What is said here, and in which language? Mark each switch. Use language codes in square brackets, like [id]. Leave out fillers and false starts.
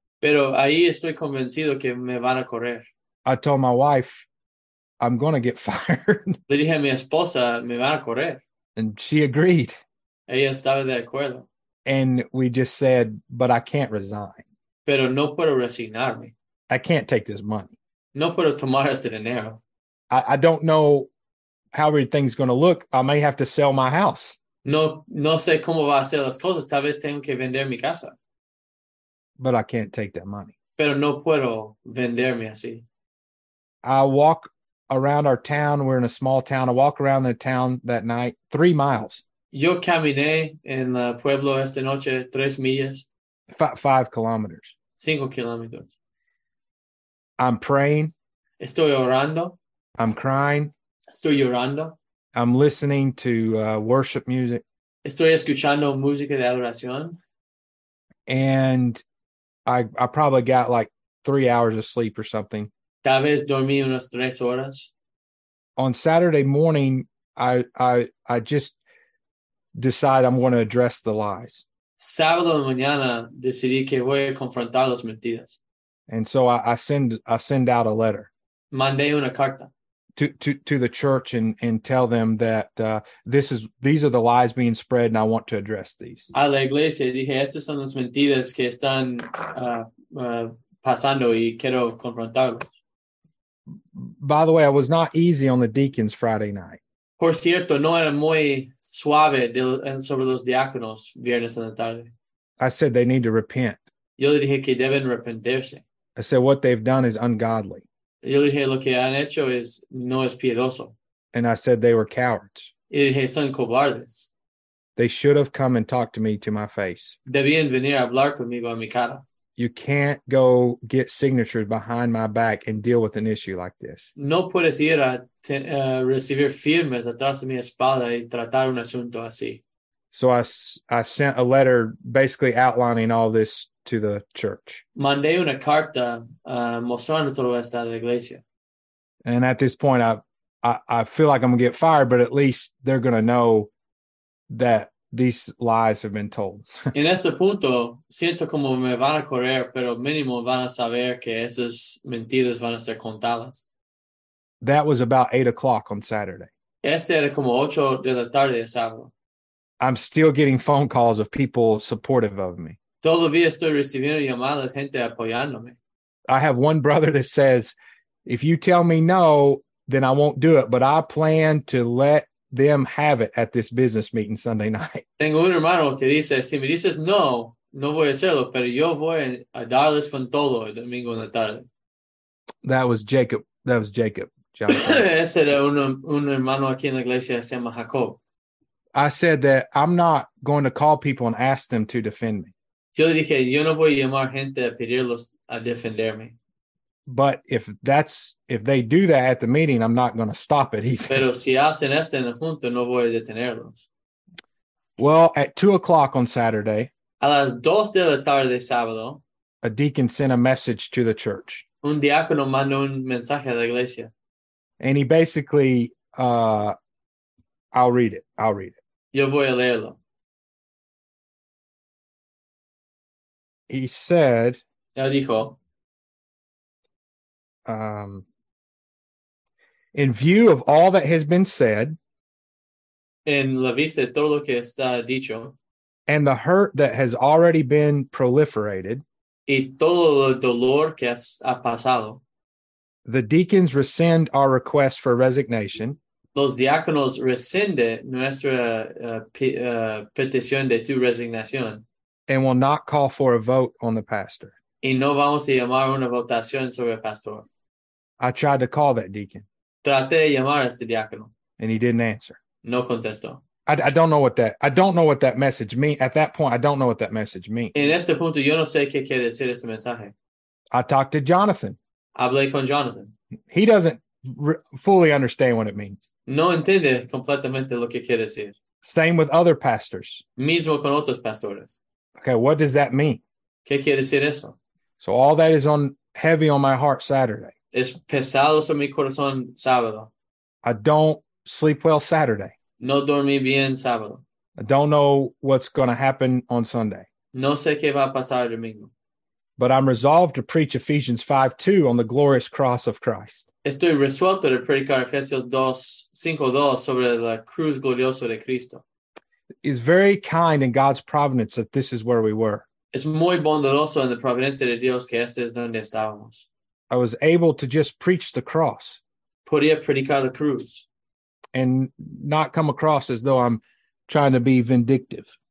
[es] Pero ahí estoy convencido que me van a correr. [en] I told my wife, I'm going to get fired. [es] Le dije a mi esposa, me van a correr. [en] And she agreed. [es] Ella estaba de acuerdo. [en] And we just said, but I can't resign. [es] Pero no puedo resignarme. [en] I can't take this money. [es] No puedo tomar este dinero. [en] I don't know how everything's going to look. I may have to sell my house. [es] No sé cómo va a ser las cosas. Tal vez tengo que vender mi casa. [en] But I can't take that money. [es] Pero no puedo venderme así. [en] I walk around our town. We're in a small town. I walk around the town that night, 3 miles. [es] Yo caminé en la pueblo esta noche 3 millas. [en] 5 kilometers. 5 kilometers. I'm praying. [es] Estoy orando. [en] I'm crying. [es] Estoy llorando. [en] I'm listening to worship music. [es] Estoy escuchando música de adoración. [en] And I probably got like 3 hours of sleep or something. [es] Tal vez dormí unas 3 horas. [en] On Saturday morning, I just decide I'm going to address the lies. [es] Sábado de mañana decidí que voy a confrontar las mentiras. [en] And so I send out a letter. [es] Mandé una carta. [en] To the church and tell them that these are the lies being spread and I want to address these. [es] A la iglesia dije, estas son las mentiras que están pasando y quiero confrontarlas. [en] By the way, I was not easy on the deacons Friday night. [es] Por cierto, no era muy suave sobre los diáconos viernes en la tarde. [en] I said they need to repent. [es] Yo le dije que deben arrepentirse. [en] I said what they've done is ungodly. [es] Yo le dije lo que han hecho es no es piedoso. [en] And I said they were cowards. [es] Y le dije son cobardes. [en] They should have come and talked to me to my face. [es] Debían venir a hablar conmigo en mi cara. [en] You can't go get signatures behind my back and deal with an issue like this. [es] No puedes ir a recibir firmas atrás de mi espalda y tratar un asunto así. [en] So I sent a letter basically outlining all this to the church. [es] Mandé una carta mostrando todo esto a la iglesia. [en] And at this point, I feel like I'm going to get fired, but at least they're going to know that these lies have been told. [es] En este punto, siento como me van a correr, pero mínimo van a saber que esas mentiras van a ser contadas. [en] That was about 8 o'clock on Saturday. [es] Este era como 8 de la tarde de sábado. [en] I'm still getting phone calls of people supportive of me. [es] Todavía estoy recibiendo llamadas, gente apoyándome. [en] I have one brother that says, if you tell me no, then I won't do it. But I plan to let them have it at this business meeting Sunday night. [es] Tengo un hermano que dice, si me dices no, no voy a hacerlo, pero yo voy a darles con todo el domingo en la tarde. [en] That was Jacob. That was Jacob. [es] Ese era un hermano aquí en la iglesia que se llama Jacob. [en] I said that I'm not going to call people and ask them to defend me. [es] Yo le dije, yo no voy a llamar gente a pedirlos a defenderme. [en] But if they do that at the meeting, I'm not going to stop it either. [es] Pero si hacen esto en el junto, no voy a detenerlos. [en] Well, at 2 o'clock on Saturday, [es] a las dos de la tarde de sábado, [en] a deacon sent a message to the church. [es] Un diácono mandó un mensaje a la iglesia. [en] And he basically, I'll read it. [es] Yo voy a leerlo. [en] He said, [es] él dijo, [en] in view of all that has been said, [es] en la vista de todo lo que está dicho, [en] and the hurt that has already been proliferated, [es] y todo el dolor que ha pasado, [en] the deacons rescind our request for resignation. [es] Los diáconos rescinde nuestra petición de tu resignación. [en] And will not call for a vote on the pastor. [es] Y no vamos a llamar una votación sobre el pastor. [en] I tried to call that deacon. [es] Traté de llamar a ese diácono. [en] And he didn't answer. [es] No contestó. [en] I don't know what that message means. At that point, I don't know what that message means. [es] En este punto, yo no sé qué quiere decir ese mensaje. [en] I talked to Jonathan. [es] Hablé con Jonathan. [en] He doesn't fully understand what it means. [es] No entiende completamente lo que quiere decir. [en] Same with other pastors. [es] Mismo con otros pastores. [en] Okay, what does that mean? [es] ¿Qué quiere decir eso? [en] So all that is on heavy on my heart Saturday. [es] Es pesado sobre mi corazón sábado. [en] I don't sleep well Saturday. [es] No dormí bien sábado. [en] I don't know what's going to happen on Sunday. [es] No sé qué va a pasar el domingo. [en] But I'm resolved to preach Ephesians 5:2 on the glorious cross of Christ. [es] Estoy resuelto de predicar Efesios 5:2 sobre la cruz gloriosa de Cristo. [en] It's very kind in God's providence that this is where we were. [es] Es muy bondadoso en la providencia de Dios que este es donde estábamos. [en] I was able to just preach the cross. [es] Podía predicar la cruz. [en] And not come across as though I'm trying to be vindictive.